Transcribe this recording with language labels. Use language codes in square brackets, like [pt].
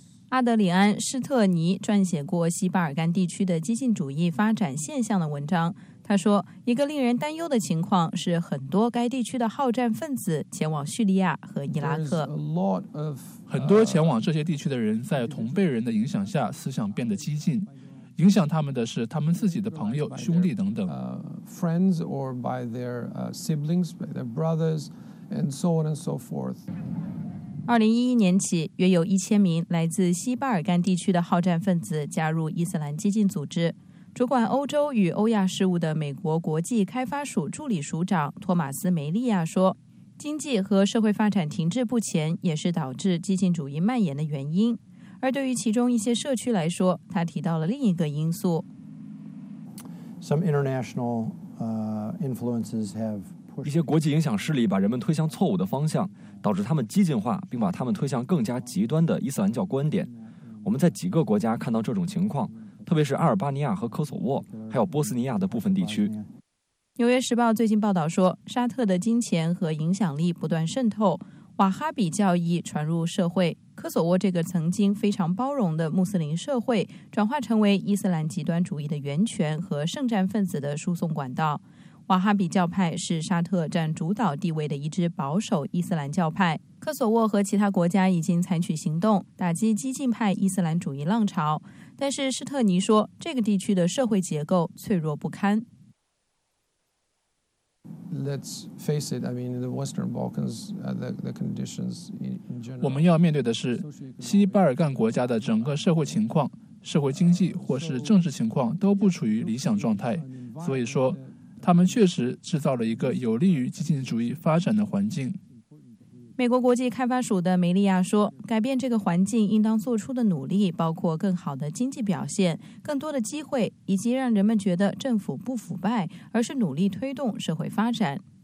[zh] 阿德里安·施特尼撰写过西巴尔干地区的激进主义发展现象的文章，他说一个令人担忧的情况是很多该地区的好战分子前往叙利亚和伊拉克。很多前往这些地区的人在同辈人的影响下思想变得激进，影响他们的是他们自己的朋友、兄弟等等。 [en] Friends or by their siblings, by their brothers, and so on and so forth. [zh] 2011年起，约有1000名来自西巴尔干地区的好战分子加入伊斯兰激进组织。主管欧洲与欧亚事务的美国国际开发署助理署长托马斯·梅利亚说，经济和社会发展停滞不前也是导致激进主义蔓延的原因。而对于其中一些社区来说，他提到了另一个因素。 [en] Some international influences have [zh] 一些国际影响势力把人们推向错误的方向，导致他们激进化，并把他们推向更加极端的伊斯兰教观点。我们在几个国家看到这种情况，特别是阿尔巴尼亚和科索沃，还有波斯尼亚的部分地区。纽约时报最近报道说，沙特的金钱和影响力不断渗透，瓦哈比教义传入社会，科索沃这个曾经非常包容的穆斯林社会转化成为伊斯兰极端主义的源泉和圣战分子的输送管道。瓦哈比教派是沙特占主导地位的一支保守伊斯兰教派，科索沃和其他国家已经采取行动打击激进派伊斯兰主义浪潮，但是施特尼说这个地区的社会结构脆弱不堪。 [en] Let's face it. I mean, the Western Balkans, the conditions in general. [zh] 我们要面对的是西巴尔干国家的整个社会情况，社会经济或是政治情况都不处于理想状态。所以说，他们确实制造了一个有利于激进主义发展的环境。美国国际开发署的梅利亚说，改变这个环境应当做出的努力包括更好的经济表现、更多的机会，以及让人们觉得政府不腐败，而是努力推动社会发展。